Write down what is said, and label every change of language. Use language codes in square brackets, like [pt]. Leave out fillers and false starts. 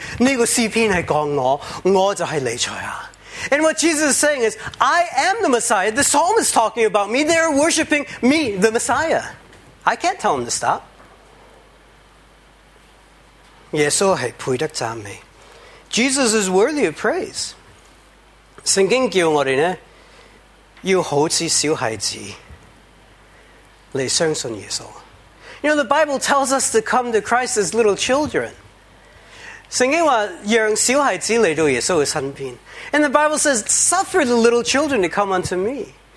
[zh] 耶稣承认我是教主，这个诗篇是讲我，我就是弥赛亚. [en] And what Jesus is saying is, "I am the Messiah." The psalm is talking about me. They are worshiping me, the Messiah. I can't tell him to stop. [zh] 耶稣是配得赞美. [en] Jesus is worthy of praise. [zh] 圣经叫我们呢, 要好像小孩子来相信耶稣. [en] You know, the Bible tells us to come to Christ as little children. [zh] 圣经说让小孩子来到耶稣的身边. [en] And the Bible says, suffer the little children to come unto me.